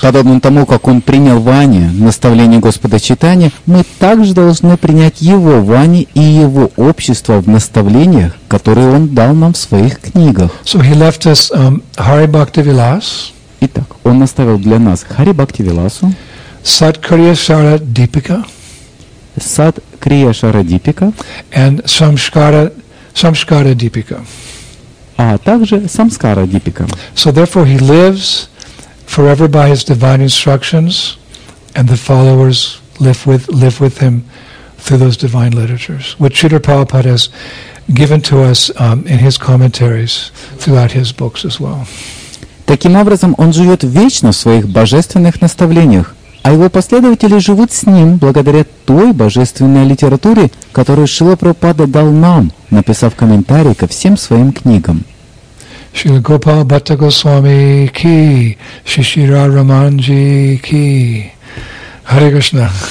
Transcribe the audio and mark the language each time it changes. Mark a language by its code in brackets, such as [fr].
[ru] Подобно тому, как он принял вани, наставление Господа Чайтанья, мы также должны принять его вани и его общество в наставлениях, которые он дал нам в своих книгах. [en] So he left us Hari Bhakti Vilas. [ru] Итак, он оставил для нас Hari Bhakti Vilasu. [en] Sat Kriya Shara Deepika. [ru] Сад Крия Шара Дипика [en] and Самскара Дипика, [ru] а также Самскара Дипика. [en] So therefore he lives forever by his divine instructions, and the followers live with him through those divine literatures, which Śrīla Prabhupāda has given to us in his commentaries throughout his books as well. [ru] Таким образом, он живет вечно в своих божественных наставлениях. А его последователи живут с ним благодаря той божественной литературе, которую Шрила Прабхупада дал нам, написав комментарий ко всем своим книгам. Шрила Гопал Бхатта Госвами ки, Шишира Раманджи ки, Харе Кришна.